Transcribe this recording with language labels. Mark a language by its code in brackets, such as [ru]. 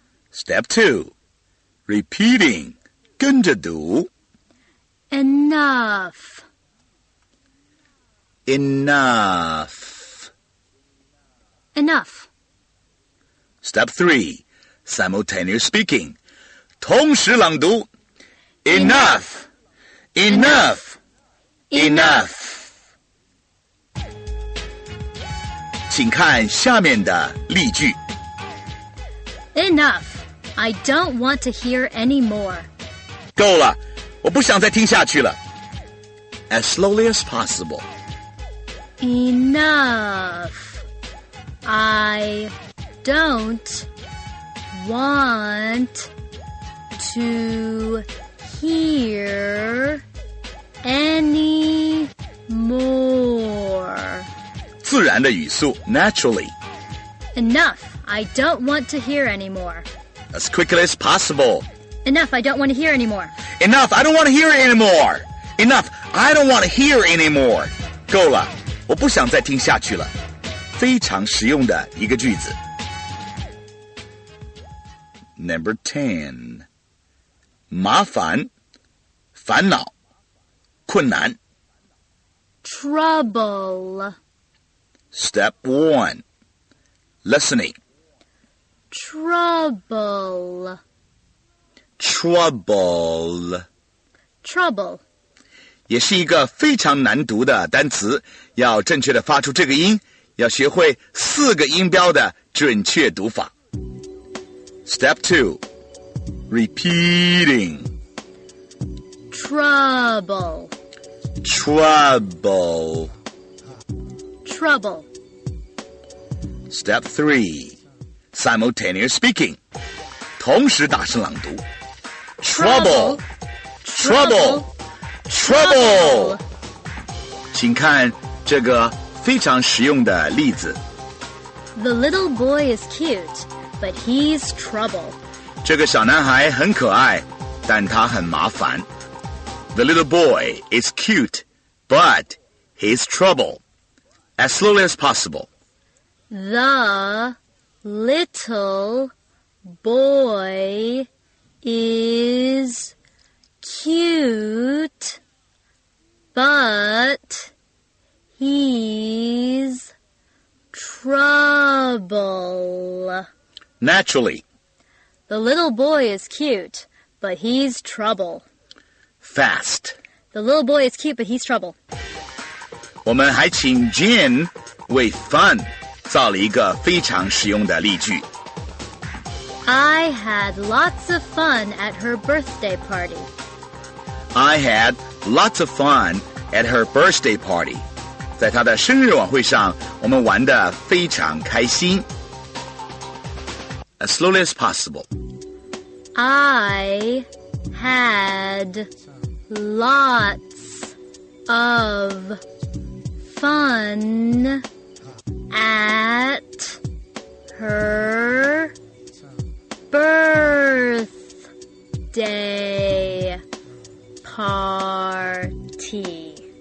[en] Step 2. Repeating. [zh] 跟着读 [en] Enough. Enough. Enough. Step 3. Simultaneous speaking. [zh] 同时朗读 [en] Enough. Enough. Enough. Enough. [zh] 请看下面的例句 [en] Enough. I don't want to hear any more. [zh] 够了，我不想再听下去了 [en] As slowly as possible. Enough. I don't want to hear any more. [zh] 自然的语速 naturally. [en] Enough. I don't want to hear any more. As quickly as possible. Enough. I don't want to hear any more. Enough. I don't want to hear any more. Enough. I don't want to hear anymore. [zh] 够了，我不想再听下去了。非常实用的一个句子。 [en] Number 10. [zh] 麻烦，烦恼，困难。 [en] Trouble. Step 1. Listening. Trouble. Trouble. Trouble. [zh] 也是一个非常难读的单词，要正确的发出这个音，要学会四个音标的准确读法。 [en] Step 2 Repeating Trouble Trouble Trouble Step 3 Simultaneous Speaking [zh] 同时大声朗读 [en] Trouble Trouble, Trouble. Trouble! [zh] 请看这个非常实用的例子。 [en] The little boy is cute, but he's trouble. [zh] 这个小男孩很可爱，但他很麻烦。 [en] The little boy is cute, but he's trouble. As slowly as possible. The little boy is cute. But he's trouble. Naturally. The little boy is cute, but he's trouble. Fast. The little boy is cute, but he's trouble. [zh] 我们还请 Jin 为 fun 造了一个非常实用的例句。 [en] I had lots of fun at her birthday party. I had lots of fun. At her birthday party. [zh] 在她的生日晚会上我们玩得非常开心。 [en] As slowly as possible. I had lots of fun at her birthday party.